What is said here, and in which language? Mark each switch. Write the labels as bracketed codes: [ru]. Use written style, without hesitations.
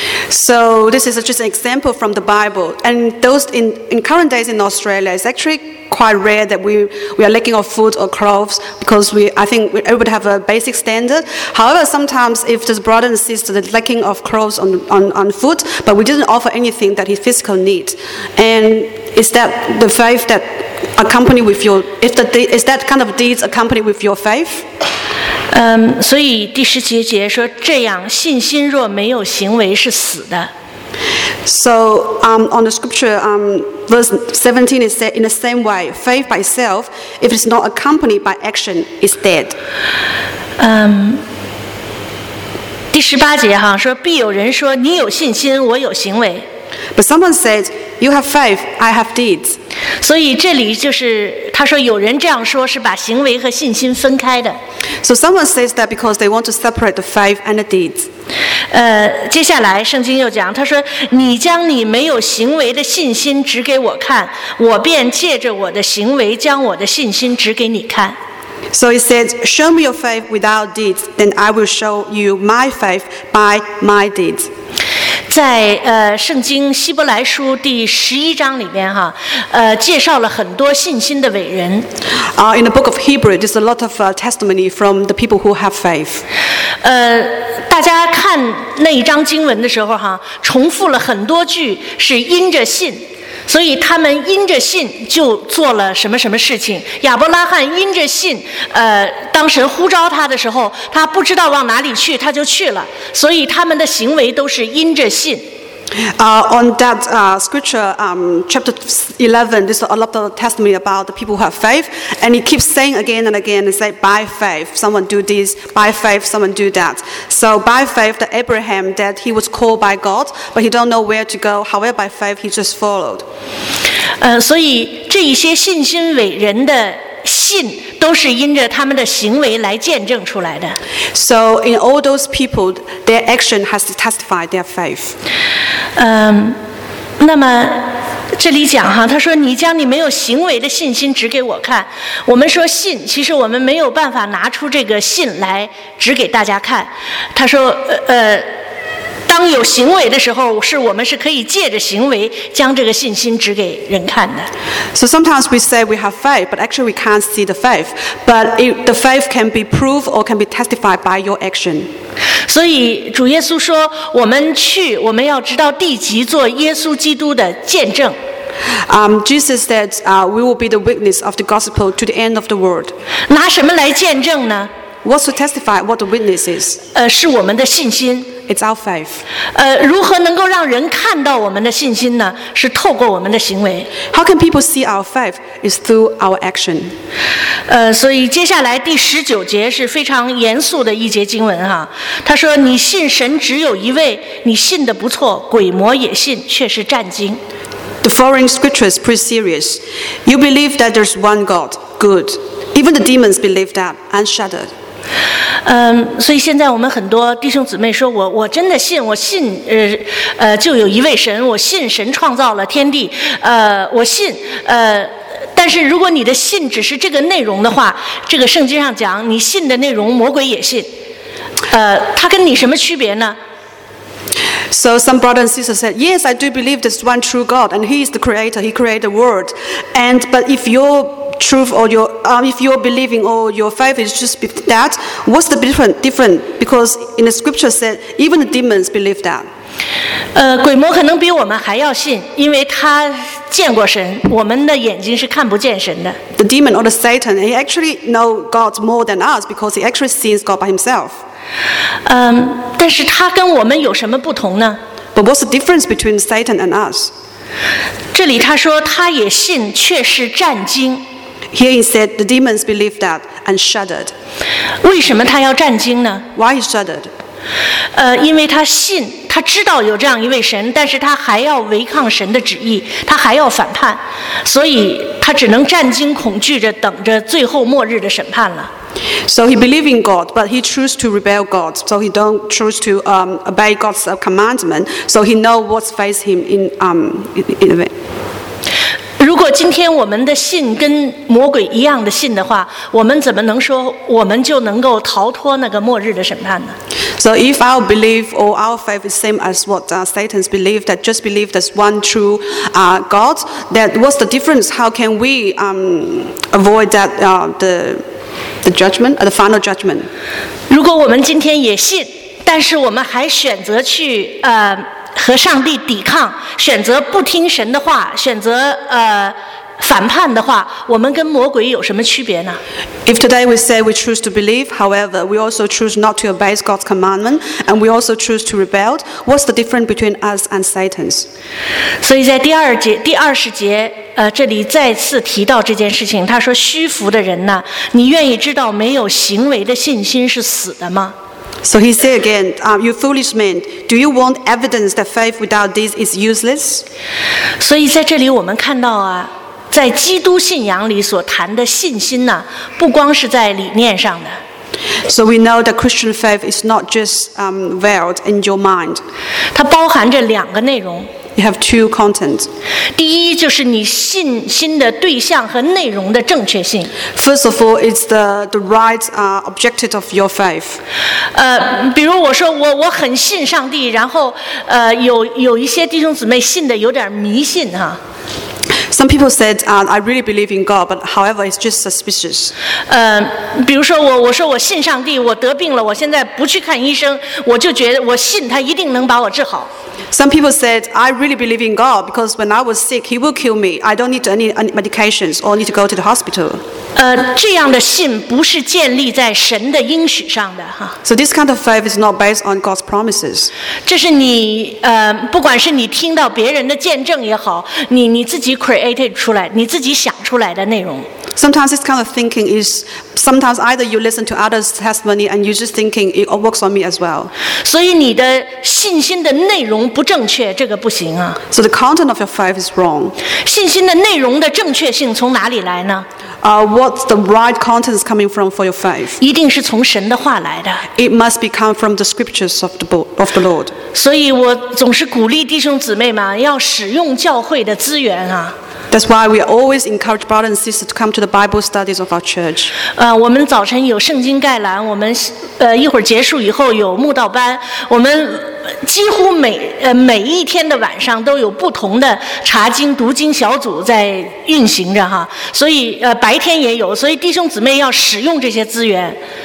[en] So this is just an example from the Bible, and those in current days in Australia, it's actually quite rare that we are lacking of food or clothes, because I think everybody have a basic standard. However, sometimes if this brother and sister is lacking of clothes on food, but we didn't offer anything that his physical needs, and is that the faith that accompany with your is that kind of deeds accompany with your faith? [zh] 所以第十节节说，这样信心若没有行为是死的。 [en] So, on the scripture, verse 17 is said in the same way, faith by itself, if it's not accompanied by action, is dead. [zh] 第十八节哈说，必有人说，你有信心，我有行为。 [en] But someone said, "You have faith, I have deeds." [zh] 所以这里就是他说有人这样说是把行为和信心分开的。 [en] So someone says that because they want to separate the faith and the deeds. [zh] 接下来圣经又讲，他说你将你没有行为的信心指给我看，我便借着我的行为将我的信心指给你看。 [en] So he said, "Show me your faith without deeds, then I will show you my faith by my deeds." [zh] 在圣经希伯来书第十一章里面哈，介绍了很多信心的伟人。 [en] In the book of Hebrews, there's a lot of testimony from the people who have faith. [zh] 大家看那一章经文的时候哈，重复了很多句是因着信。所以他们因着信就做了什么什么事情。亚伯拉罕因着信，当神呼召他的时候，他不知道往哪里去，他就去了。所以他们的行为都是因着信。 [en] On that scripture, chapter 11, there's a lot of testimony about the people who have faith, and he keeps saying again and again, it's like by faith, someone do this, by faith, someone do that. So by faith, the Abraham, that he was called by God, but he don't know where to go, however by faith, he just followed. [zh] 所以这一些信心伟人的信都是因着他们的行为来见证出来的。 [en] So in all those people, their action has to testify their faith. [zh] 那么这里讲哈，他说你将你没有行为的信心指给我看。我们说信，其实我们没有办法拿出这个信来指给大家看。他说当有行为的时候，是我们是可以借着行为将这个信心指给人看的。 [en] So sometimes we say we have faith, but actually we can't see the faith. But the faith can be proved or can be testified by your action. [zh] 所以主耶稣说，我们去，我们要直到地极做耶稣基督的见证。 [en] Jesus said, "We will be the witness of the gospel to the end of the world." [zh] 拿什么来见证呢？ [en] What to testify? What the witness is? [zh] 是我们的信心。 [en] It's our faith. [zh] 如何能够让人看到我们的信心呢？是透过我们的行为。 [en] How can people see our faith? It's through our action. [zh] 所以接下来第十九节是非常严肃的一节经文哈。他说：“你信神只有一位，你信的不错，鬼魔也信，却是战惊。” [en] The following scripture is pretty serious. You believe that there's one God. Good. Even the demons believe that and shuddered. [zh] 所以现在我们很多弟兄姊妹说，我真的信，我信就有一位神，我信神创造了天地，我信但是如果你的信只是这个内容的话，这个圣经上讲，你信的内容魔鬼也信，它跟你什么区别呢？ [en] So some brothers and sisters said, "Yes, I do believe there's one true God, and He is the Creator. He created the world. And but if your truth or if you're believing or your faith is just that, what's the different? Because in the scripture said, even the demons believe that." [zh] 鬼魔可能比我们还要信，因为他见过神。我们的眼睛是看不见神的。 [en] The demon or the Satan, he actually know God more than us because he actually sees God by himself. [zh] 但是他跟我们有什么不同呢？ [en] But what's the difference between Satan and us? [zh] 这里他说他也信，却是战惊。 [en] Here he said the demons believed that and shuddered. [zh] 为什么他要战惊呢？ [en] Why he shuddered? [zh] 因为他信，他知道有这样一位神，但是他还要违抗神的旨意，他还要反叛，所以他只能战惊恐惧着等着最后末日的审判了。 [en] So he believes in God, but he chooses to rebel God. So he don't choose to obey God's commandment. So he knows what's facing him in a way. [zh] 如果今天我们的信跟魔鬼一样的信的话，我们怎么能说我们就能够逃脱那个末日的审判呢？ [en] So if our belief or our faith is same as what Satan's belief, that just believe there's one true God, that what's the difference? How can we avoid that the judgment, or the final judgment. [zh] 如果我们今天也信，但是我们还选择去和上帝抵抗，选择不听神的话，选择反叛的话，我们跟魔鬼有什么区别呢？ [en] If today we say we choose to believe, however, we also choose not to obey God's commandment, and we also choose to rebel, what's the difference between us and Satan's? [zh] 所以在第二节，第二十节，这里再次提到这件事情，他说虚浮的人呢，你愿意知道没有行为的信心是死的吗？ [en] So he said again, you foolish man, do you want evidence that faith without this is useless? [zh] 所以在这里我们看到啊，在基督信仰里所谈的信心呢，不光是在理念上的。 [en] So we know that Christian faith is not just veiled in your mind. [zh] 它包含着两个内容。 [en] You have two contents. [zh] 第一就是你信心的对象和内容的正确性。 [en] First of all, it's the right objective of your faith. [zh] 比如我说我很信上帝，然后有一些弟兄姊妹信的有点迷信哈。 [en] Some people said, "I really believe in God, but however, it's just suspicious." [zh] 比如说我说我信上帝，我得病了，我现在不去看医生，我就觉得我信他一定能把我治好。 [en] Some people said, "I really believe in God because when I was sick, He will kill me. I don't need any medications or need to go to the hospital." [zh] 这样的信不是建立在神的应许上的哈。 [en] So this kind of faith is not based on God's promises. [zh] 这是你不管是你听到别人的见证也好，你自己 [en] created [zh] 出来，你自己想出来的内容。 [en] Sometimes this kind of thinking is sometimes either you listen to others' testimony and you just thinking it works on me as well. [zh] 所以你的信心的内容不正确，这个不行啊。 [en] So the content of your faith is wrong. [zh] 信心的内容的正确性从哪里来呢？ [en] What's the right content is coming from for your faith? [zh] 一定是从神的话来的。 [en] It must be come from the scriptures of the Lord. [zh] 所以我总是鼓励弟兄姊妹们要使用教会的资源啊。 [en] That's why we always encourage brothers and sisters to come to the Bible studies of our church. [zh] 我们早晨有圣经概览，我们一会儿结束以后有慕道班，我们几乎每一天的晚上都有不同的查经读经小组在运行着哈，所以白天也有，所以弟兄姊妹要使用这些资源。